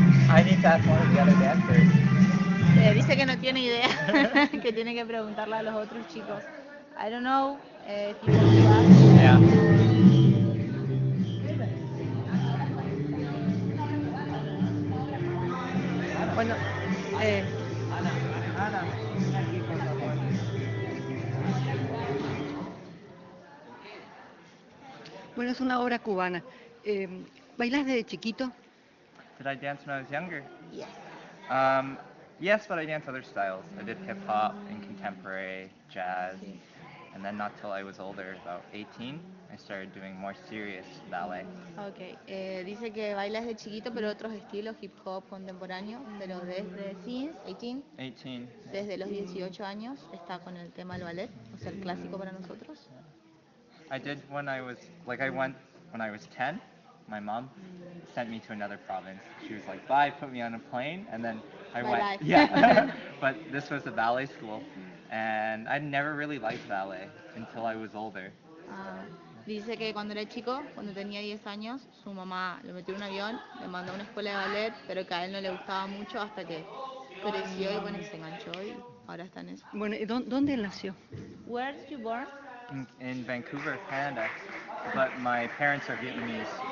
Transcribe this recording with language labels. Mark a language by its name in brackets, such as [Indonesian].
[English] I need to ask one of the other dancers. [Spanish] Dice que no tiene idea, que tiene que preguntarle a los otros chicos. [English] I don't know if you want to ask. Yeah. [Spanish] Bueno, Ana. Bueno, es una obra cubana. ¿Bailas desde chiquito? [English] Did I dance when I was younger? Yes. Yes, but I dance other styles. I did hip hop and contemporary jazz. And then not till I was older, about 18, I started doing more serious ballet. Okay. [Spanish] Dice que bailas de chiquito, pero otros estilos, hip hop, contemporáneo, pero desde [English] since [Spanish] 18. 18. Desde los 18 años está con el tema del ballet, o sea, el clásico para nosotros. [English] I did when I was like I went when I was 10. My mom sent me to another province. She was like, bye, put me on a plane, and then I my went. Life. Yeah. But this was a ballet school, and I never really liked ballet until I was older. [Spanish] Dice que cuando era chico, cuando tenía 10 años, su mamá lo metió en un avión, le mandó a una escuela de ballet, pero que a él no le gustaba mucho hasta que creció y bueno, se enganchó y ahora está en eso. Bueno, ¿dónde nació? [English] Where did you born? In Vancouver, Canada. But my parents are Vietnamese.